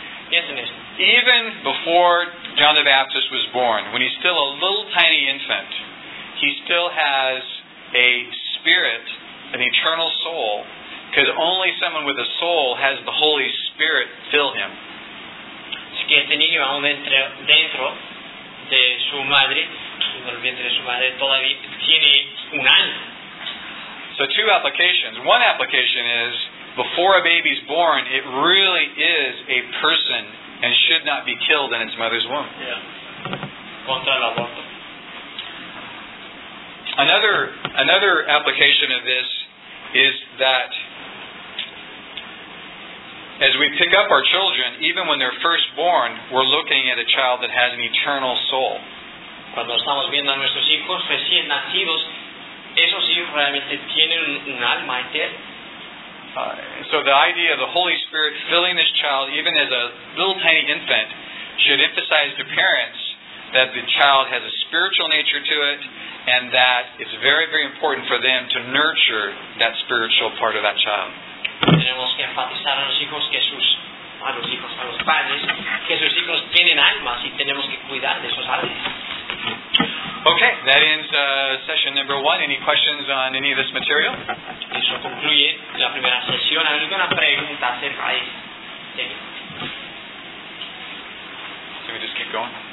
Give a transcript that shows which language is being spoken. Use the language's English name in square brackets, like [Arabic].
[English] Yes, it is. Even before John the Baptist was born, when he's still a little tiny infant, he still has a spirit, an eternal soul, because only someone with a soul has the Holy Spirit fill him. [Spanish] Que este niño aún dentro de su madre, en el vientre de su madre, todavía tiene un alma. [English] So two applications. One application is, before a baby's born, it really is a person and should not be killed in its mother's womb. [Spanish] Yeah. Contra el aborto. [English] Another application of this is that as we pick up our children, even when they're first born, we're looking at a child that has an eternal soul. [Spanish] Cuando estamos viendo a nuestros hijos recién nacidos, esos hijos realmente tienen un alma eterna. [English] So the idea of the Holy Spirit filling this child, even as a little tiny infant, should emphasize to parents that the child has a spiritual nature to it, and that it's very, very important for them to nurture that spiritual part of that child. [Spanish] Tenemos que enfatizar a los hijos que sus a los hijos, a los padres que sus hijos tienen almas y tenemos que cuidar de esos almas. [English] Okay, that ends session number one. Any questions on any of this material? [Spanish] Eso concluye la primera sesión. ¿Alguna pregunta acerca de esto? [English] Can we just keep going?